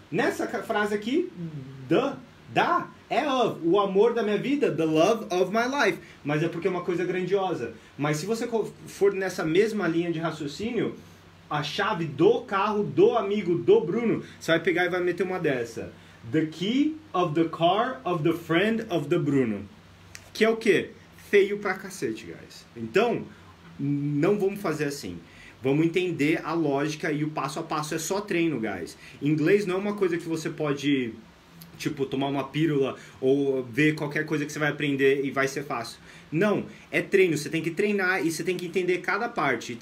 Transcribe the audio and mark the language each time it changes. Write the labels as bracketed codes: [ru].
[pt] Nessa frase aqui, da é of. O amor da minha vida, [en] the love of my life. [pt] Mas é porque é uma coisa grandiosa. Mas se você for nessa mesma linha de raciocínio, a chave do carro, do amigo, do Bruno, você vai pegar e vai meter uma dessa. [en] The key of the car of the friend of the Bruno. [pt] Que é o quê? Feio pra cacete, guys. Então, não vamos fazer assim. Vamos entender a lógica e o passo a passo. É só treino, guys. Inglês não é uma coisa que você pode, tipo, tomar uma pílula ou ver qualquer coisa que você vai aprender e vai ser fácil. Não, é treino. Você tem que treinar e você tem que entender cada parte.